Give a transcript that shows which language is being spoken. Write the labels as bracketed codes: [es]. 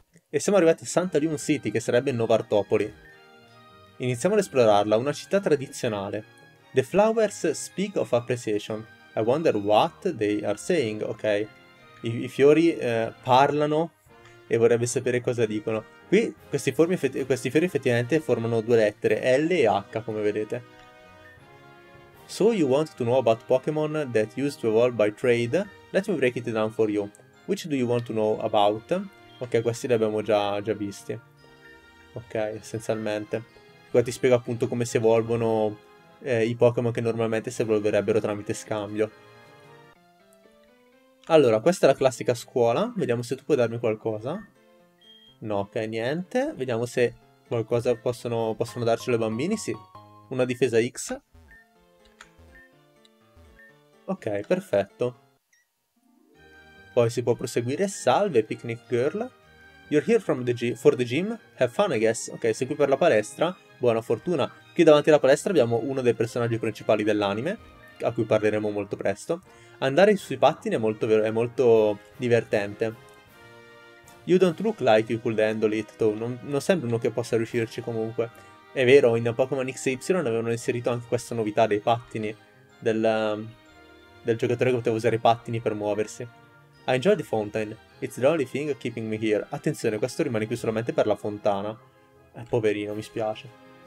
[it] E siamo arrivati a Santalium City, che sarebbe Novartopoli. Iniziamo ad esplorarla, una città tradizionale. [en] The flowers speak of appreciation. I wonder what they are saying, ok? [it] I fiori parlano e vorrebbe sapere cosa dicono. Qui questi fiori effettivamente formano due lettere, L e H, come vedete. [en] So you want to know about Pokémon that used to evolve by trade? Let me break it down for you. Which do you want to know about? [it] Ok, questi li abbiamo già visti. Ok, essenzialmente. Qua ti spiego appunto come si evolvono i Pokémon che normalmente si evolverebbero tramite scambio. Allora, questa è la classica scuola. Vediamo se tu puoi darmi qualcosa. No, ok, niente. Vediamo se qualcosa possono darcelo i bambini. Sì, una difesa X. Ok, perfetto. Poi si può proseguire. Salve, [en] Picnic Girl. You're here from the for the gym? Have fun, I guess. [it] Ok, sei qui per la palestra. Buona fortuna. Qui davanti alla palestra abbiamo uno dei personaggi principali dell'anime, a cui parleremo molto presto. Andare sui pattini è molto divertente. [en] You don't look like you could handle it, though. [it] Non sembra uno che possa riuscirci comunque. È vero, in Pokémon XY avevano inserito anche questa novità dei pattini, del giocatore che poteva usare i pattini per muoversi. [en] I enjoy the fountain. It's the only thing keeping me here. [it] Attenzione, questo rimane qui solamente per la fontana. Poverino, mi spiace.